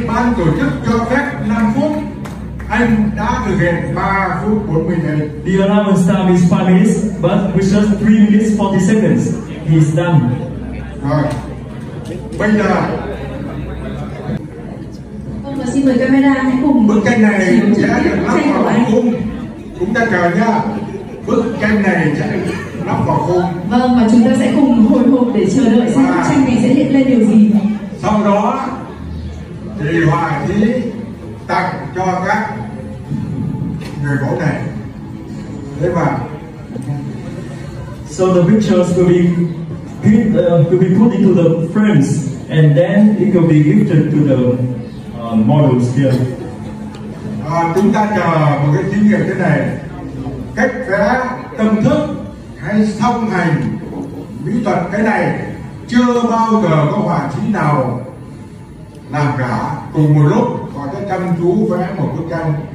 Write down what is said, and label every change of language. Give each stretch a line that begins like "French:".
Vietnamese: Ban tổ chức cho phép 5 phút. Anh đã thực hiện 3 phút 40 giây.
English: The allowance time is 5 minutes, but with just 3 minutes 40 seconds, he is done.
Vietnamese: Rồi. Bây giờ. Vâng, xin mời camera hãy cùng bức tranh này sẽ được lắp vào chúng ta chờ nhá. Bức tranh này sẽ lắp vào khung. Vâng, và chúng ta sẽ cùng hồi hộp để chờ đợi xem bức tranh này sẽ hiện lên điều gì. Sau đó thì họa sĩ tặng cho các người mẫu này. Thế mà
English: so the pictures will be put into the frames and then it will be gifted to the models here.
Vietnamese: Chúng ta chờ một cái thí nghiệm thế này. Cách vẽ tâm thức hay song hành mỹ thuật cái này chưa bao giờ có họa sĩ nào làm cả cùng một lúc họ sẽ chăm chú vẽ một bức tranh.